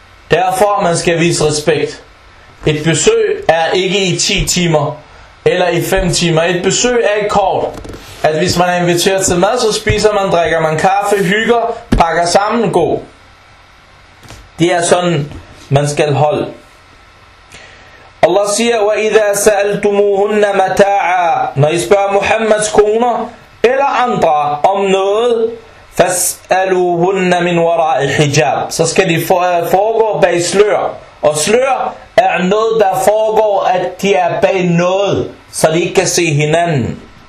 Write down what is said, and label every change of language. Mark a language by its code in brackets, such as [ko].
[da] Derfor man skal vise respekt. Et besøg er ikke i 10 timer, eller i 5 timer. Et besøg er ikke kort. At hvis man er inviteret til mad, så spiser man, drikker man kaffe, hygger, pakker sammen, god. Det er sådan, man skal holde. Allah siger: [ar] وَإِذَا سَأَلْتُمُوهُنَّ مَتَاعًا. [da] Når I spørger Muhammeds koner eller andre om noget, [ar] فَاسْأَلُوهُنَّ مِنْ وَرَاءِ الْحِجَابِ, [da] så skal de foregå bag slør. Og slør er noget, der foregår, at de er bag noget, så de ikke kan se hinanden.